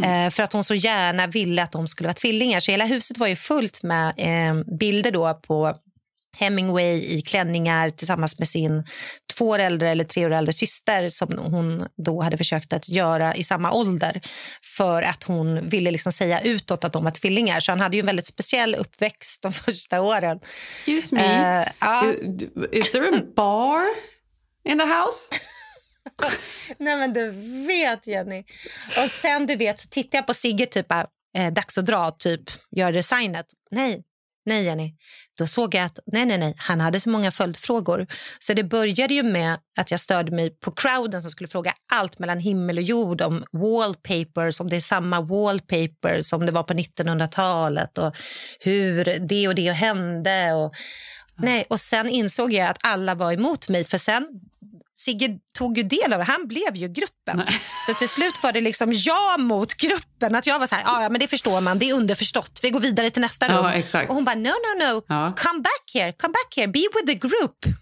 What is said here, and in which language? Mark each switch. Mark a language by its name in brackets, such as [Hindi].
[Swedish] För att hon så gärna ville att de skulle vara tvillingar. Så hela huset var ju fullt med bilder då på Hemingway i klänningar tillsammans med sin 2 år äldre eller 3 år äldre syster som hon då hade försökt att göra i samma ålder för att hon ville liksom säga utåt att de var tvillingar. Så han hade ju en väldigt speciell uppväxt de första åren. [English] Excuse me, is there a bar in the house? [Swedish] Nej men du vet Jenny. Och sen du vet så tittar jag på Sigge typ dags att dra typ gör designet. Nej Jenny. Då såg jag att nej, han hade så många följdfrågor. Så det började ju med att jag störde mig på crowden som skulle fråga allt mellan himmel och jord om wallpaper, om det är samma wallpaper som det var på 1900-talet och hur det och det hände. Och, ja. Nej, och sen insåg jag att alla var emot mig, för sen Sigge tog ju del av det, han blev ju gruppen. Nej. Så till slut var det liksom jag mot gruppen, att jag var så här, ja men det förstår man, det är underförstått, vi går vidare till nästa rum. Ja, exakt. Och hon bara, no, ja. [English] come back here, be with the group.